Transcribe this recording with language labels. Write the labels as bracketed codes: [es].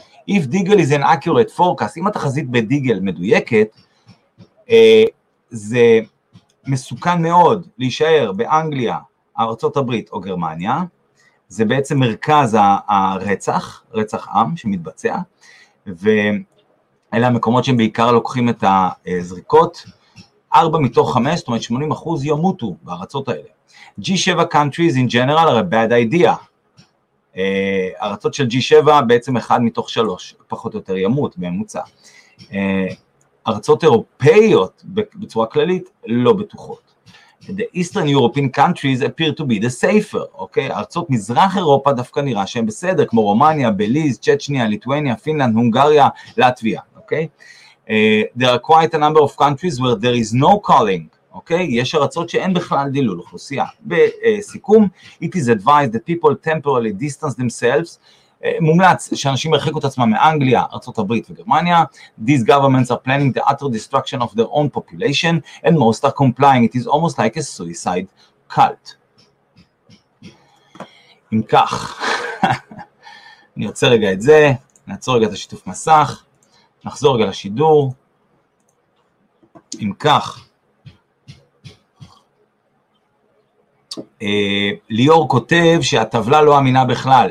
[en] If Deagle is an accurate forecast, [he] אם התחזית בדיגל מדויקת, זה מסוכן מאוד להישאר באנגליה, ארצות הברית או גרמניה, זה בעצם מרכז הרצח, רצח עם שמתבצע, ואלה המקומות שהם בעיקר לוקחים את הזריקות, 4 מתוך 5, זאת אומרת 80% ימותו בארצות האלה. [en] G7 countries in general are a bad idea. [he] ארצות של G7 בעצם 1 מתוך 3, פחות או יותר ימות בממוצע. ארצות אירופאיות בצורה כללית לא בטוחות. [en] The Eastern European countries appear to be the safer, [he] אוקיי? ארצות מזרח אירופה דווקא נראה שהן בסדר, כמו רומניה, בליז, צ'צ'ניה, ליטואניה, פינלנד, הונגריה, לטביה, אוקיי? [en] There are quite a number of countries where there is no culling. [he] אוקיי? יש ארצות שאין בכלל דילול אוכלוסייה. בסיכום, [en] it is advised that people temporarily distance themselves, [he] מומלץ שאנשים הרחיקו את עצמם מאנגליה, ארצות הברית וגרמניה, [en] these governments are planning the utter destruction of their own population, and most are complying, it is almost like a suicide cult. [he] אם כך, אני יוצא רגע את זה, נעצור רגע את השיתוף מסך, נחזור רגע לשידור, אם כך, ליאור כותב שהטבלה לא אמינה בכלל.